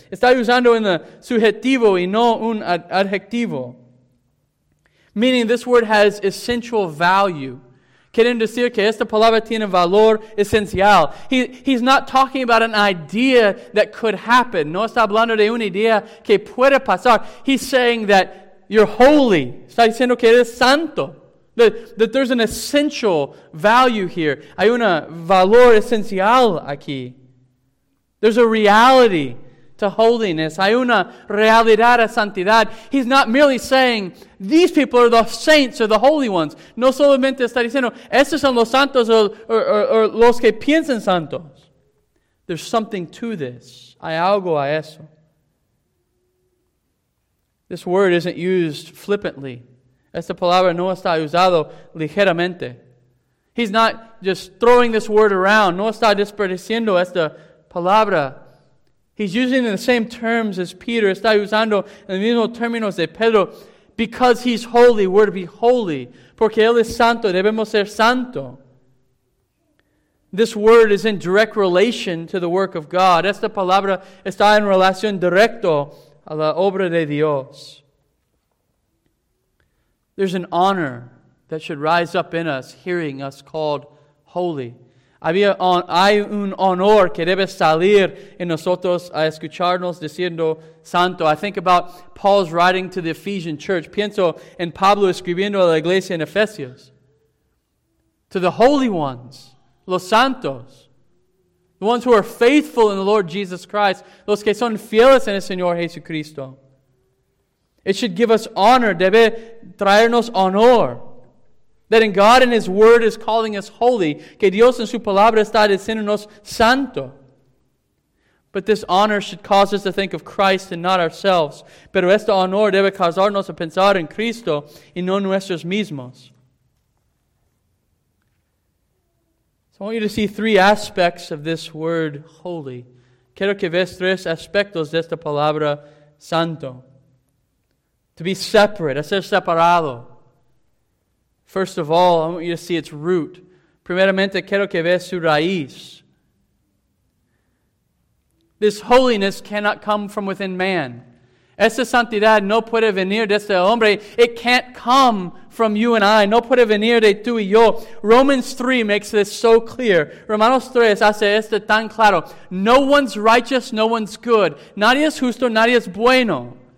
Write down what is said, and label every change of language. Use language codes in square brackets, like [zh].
[es] Está usando en el subjetivo y no un adjetivo. [en] Meaning this word has essential value. [es] Quieren decir que esta palabra tiene valor esencial. [en] He's not talking about an idea that could happen. [es] No está hablando de una idea que puede pasar. [en] He's saying that you're holy. [es] Está diciendo que eres santo. [en] That there's an essential value here. [es] Hay un valor esencial aquí. [en] There's a reality to holiness. [es] Hay una realidad a santidad. [en] He's not merely saying, these people are the saints or the holy ones. [es] No solamente está diciendo, estos son los santos o los que piensan santos. [en] There's something to this. [es] Hay algo a eso. [en] This word isn't used flippantly. [es] Esta palabra no está usado ligeramente. [en] He's not just throwing this word around. [es] No está desperdiciando esta palabra. [en] He's using the same terms as Peter. [es] Está usando el mismo términos de Pedro. [en] Because he's holy, we're to be holy. [es] Porque él es santo, debemos ser santo. [en] This word is in direct relation to the work of God. [es] Esta palabra está en relación directo a la obra de Dios. [en] There's an honor that should rise up in us, hearing us called holy. [es] Hay un honor que debe salir en nosotros a escucharnos diciendo santo. [en] I think about Paul's writing to the Ephesian church. [es] Pienso en Pablo escribiendo a la iglesia en Efesios. [en] To the holy ones, [es] los santos, [en] the ones who are faithful in the Lord Jesus Christ, [es] los que son fieles en el Señor Jesucristo. [en] It should give us honor, [es] debe traernos honor. [en] That in God and His Word is calling us holy. [es] Que Dios en su palabra está diciéndonos santo. [en] But this honor should cause us to think of Christ and not ourselves. [es] Pero este honor debe causarnos a pensar en Cristo y no nuestros mismos. [en] So I want you to see three aspects of this word holy. [es] Quiero que veas tres aspectos de esta palabra santo. [en] To be separate, [es] a ser separado. [en] First of all, I want you to see its root. [es] Primeramente, quiero que veas su raíz. [en] This holiness cannot come from within man. [es] Esta santidad no puede venir de este hombre. [en] It can't come from you and I. [es] No puede venir de tú y yo. [en] Romans 3 makes this so clear. [es] Romanos 3 hace esto tan claro. [en] No one's righteous, no one's good. [es] Nadie es justo, nadie es bueno.